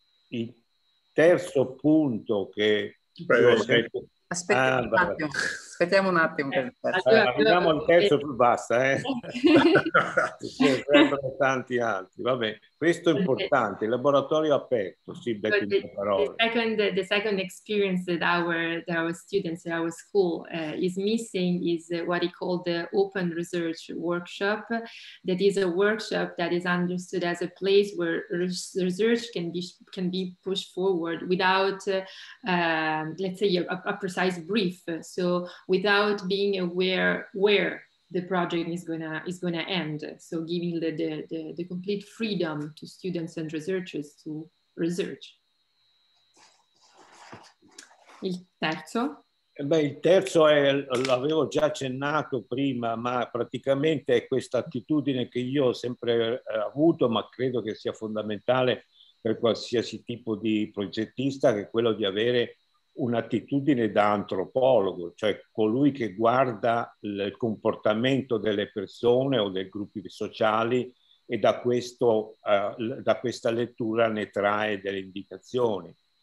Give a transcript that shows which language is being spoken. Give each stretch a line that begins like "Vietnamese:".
Italian: Il terzo punto che... Aspettiamo un attimo. Al terzo più basta, eh? Ci sono tanti altri, va bene. Questo è importante, il laboratorio aperto, sì, becchi le parole.
English: The second experience that our students at our school is missing is what he called the open research workshop. That is a workshop that is understood as a place where research can be pushed forward without, let's say, a precise brief. So without being aware where the project is gonna end, so giving the complete freedom to students and researchers to research.
Italian: Il terzo? Beh, il terzo è, l'avevo già accennato prima, ma praticamente è questa attitudine che io ho sempre avuto, ma credo che sia fondamentale per qualsiasi tipo di progettista, che è quello di avere un'attitudine da antropologo, cioè colui che guarda il comportamento delle persone o dei gruppi sociali e da questa lettura ne trae delle indicazioni.